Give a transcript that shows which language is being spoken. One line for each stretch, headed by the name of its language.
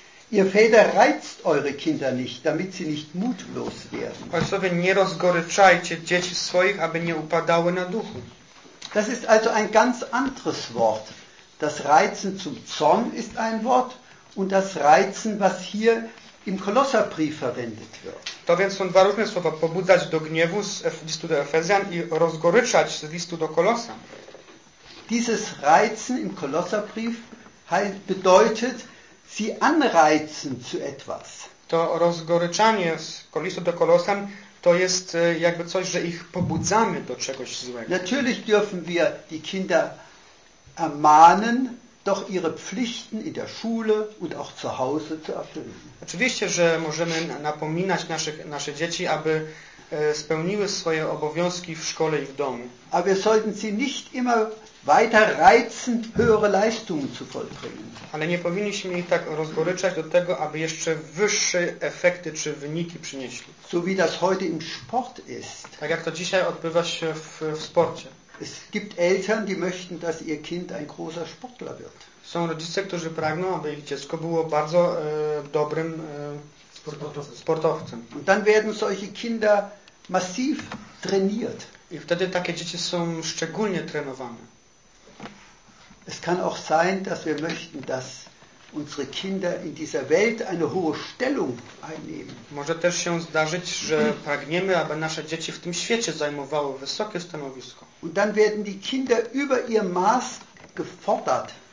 German: Ihr Väter reizt eure Kinder nicht, damit sie nicht mutlos werden.
Polish: Ojcowie, nie rozgoryczajcie dzieci swoich, aby nie upadały na duchu.
German: Das ist also ein ganz anderes Wort. Das Reizen zum Zorn ist ein Wort und das Reizen, was hier im Kolosserbrief verwendet wird.
Polish: To więc są dwa różne słowa, pobudzać do gniewu z listu do Efezjan i rozgoryczać z listu do Kolosa.
German: Dieses Reizen im Kolosserbrief bedeutet, sie anreizen zu etwas.
Polish: To rozgoryczanie z listu do Kolosan to jest jakby coś, że ich pobudzamy do czegoś złego.
German: Natürlich dürfen wir die Kinder ermahnen, doch ihre Pflichten in der Schule und auch zu Hause zu erfüllen.
Polish: Oczywiście, że możemy napominać nasze dzieci, aby spełniły swoje obowiązki w szkole i w domu.
German: Aber wir sollten sie nicht immer weiter reizen, höhere Leistungen zu vollbringen.
Polish: Ale nie powinniśmy ich tak rozgoryczać do tego, aby jeszcze wyższe efekty czy wyniki przynieśli.
German: So wie das heute im Sport ist.
Polish: Tak jak to dzisiaj odbywa się w sporcie.
German: Es gibt Eltern, die möchten, dass ihr Kind ein großer Sportler wird.
Polish: Są rodzice, którzy pragną, aby ich dziecko było bardzo dobrym sportowcem.
German: Und dann werden solche Kinder massiv trainiert.
Polish: I wtedy takie dzieci są szczególnie trenowane.
German: Es kann auch sein, dass wir möchten, dass unsere Kinder in dieser Welt eine hohe Stellung einnehmen.
Polish: Może też się zdarzyć, że pragniemy, aby nasze dzieci w tym świecie zajmowały wysokie stanowisko.
German: Und dann werden die Kinder über ihr Maß gefordert.